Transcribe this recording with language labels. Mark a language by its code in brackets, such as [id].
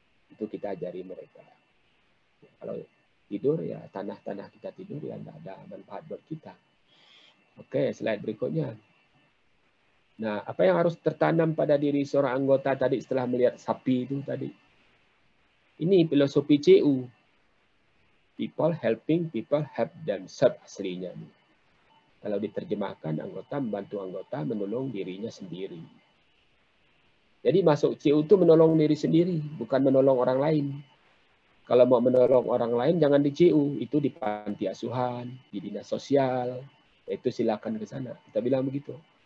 [id] Itu kita ajari mereka. Kalau tidur ya tanah-tanah kita tidur ya tidak ada manfaat buat kita. Oke, slide berikutnya. Nah, apa yang harus tertanam pada diri seorang anggota tadi setelah melihat sapi itu tadi? Ini filosofi CU. [en] People helping people help themselves aslinya. [id] Kalau diterjemahkan, anggota membantu anggota menolong dirinya sendiri. Jadi masuk CU itu menolong diri sendiri, bukan menolong orang lain. Kalau mau menolong orang lain, jangan di CU. Itu di panti asuhan, di dinas sosial, itu silakan ke sana. Kita bilang begitu.